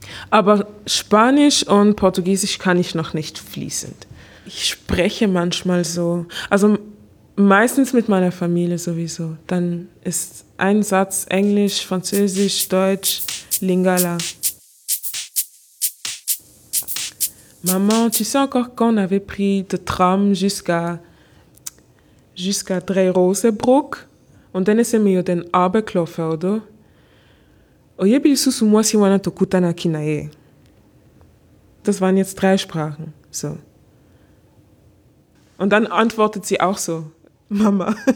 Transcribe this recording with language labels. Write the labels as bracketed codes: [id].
[de] Aber Spanisch und Portugiesisch kann ich noch nicht fließend. Ich spreche manchmal so, also meistens mit meiner Familie sowieso. Dann ist ein Satz Englisch, Französisch, Deutsch, Lingala. [fr] Maman, tu sais encore qu'on avait pris de tram jusqu'à Dreirosebrück? [de] Und dann ist er mir den Abend gelaufen, oder? Das waren jetzt drei Sprachen. So. Und dann antwortet sie auch so, Mama.